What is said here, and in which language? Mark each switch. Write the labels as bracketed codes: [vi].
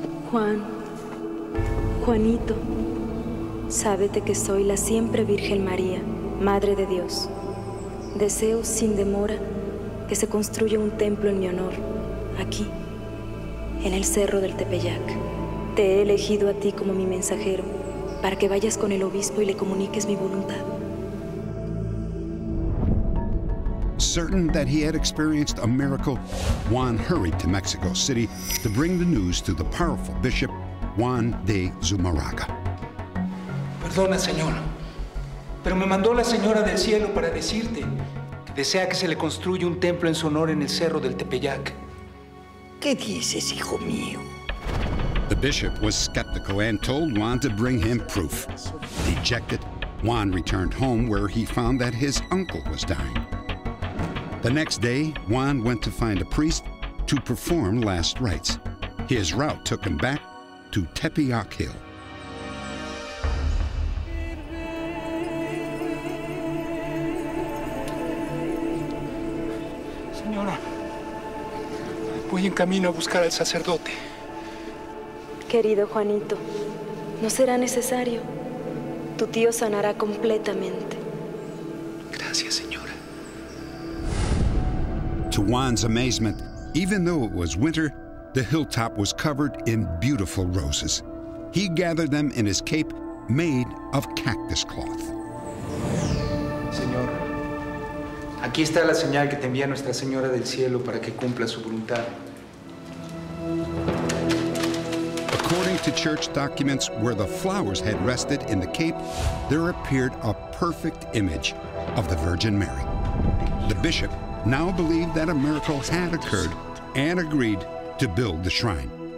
[es] Juan, Juanito, sábete que soy la siempre Virgen María, Madre de Dios. Deseo sin demora que se construya un templo en mi honor. Aquí, en el Cerro del Tepeyac, te he elegido a ti como mi mensajero para que vayas con el obispo y le comuniques mi voluntad. [en] Certain that he had experienced a miracle, Juan hurried to Mexico City to bring the news to the powerful bishop, Juan de Zumarraga. [es] Perdona, señor, pero me mandó la señora del cielo para decirte que desea que se le construya un templo en su honor en el Cerro del Tepeyac. ¿Qué dices, hijo mío? [en] The bishop was skeptical and told Juan to bring him proof. Dejected, Juan returned home where he found that his uncle was dying. The next day, Juan went to find a priest to perform last rites. His route took him back to Tepeyac Hill. [es] Señora. Voy en camino a buscar al sacerdote. Querido Juanito, no será necesario. Tu tío sanará completamente. Gracias, señora. [en] To Juan's amazement, even though it was winter, the hilltop was covered in beautiful roses. He gathered them in his cape made of cactus cloth. [es] Señor, aquí está la señal que te envía Nuestra Señora del Cielo para que cumpla su voluntad. [en] According to church documents, where the flowers had rested in the cape, there appeared a perfect image of the Virgin Mary. The bishop now believed that a miracle had occurred and agreed to build the shrine.